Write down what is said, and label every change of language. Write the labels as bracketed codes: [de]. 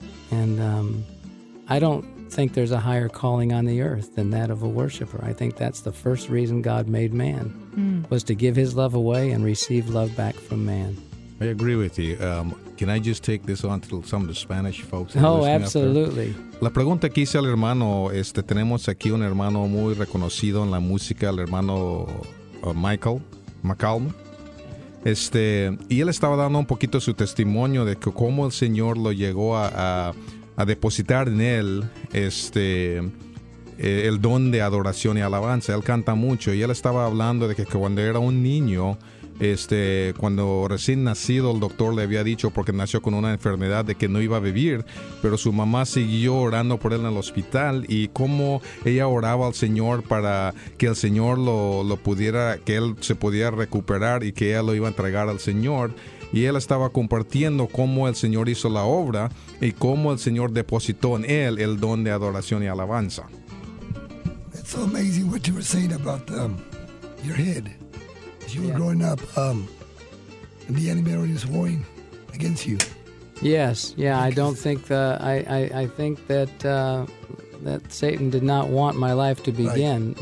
[en] And I don't think there's a higher calling on the earth than that of a worshiper. I think that's the first reason God made man, was to give his love away and receive love back from man. I agree with you. Can I just take this on to some of the Spanish folks? Oh, absolutely. [es] La pregunta que hice al hermano, tenemos aquí un hermano muy reconocido en la música, el hermano Michael McCallum. Y él estaba dando un poquito su testimonio de que cómo el Señor lo llegó a depositar en él el don de adoración y alabanza. Él canta mucho y él estaba hablando de que cuando era un niño, cuando recién nacido, el doctor le había dicho, porque nació con una enfermedad, de que no iba a vivir, pero su mamá siguió orando por él en el hospital, y cómo ella oraba al Señor para que el Señor lo pudiera, que él se pudiera recuperar y que ella lo iba a entregar al Señor. Y él estaba compartiendo cómo el Señor hizo la obra y cómo el Señor depositó en él el don de adoración y alabanza. [en] It's so amazing what you were saying about your head. You were growing up, and the enemy is warring against you. Yes, yeah. I don't think I think that Satan did not want my life to begin.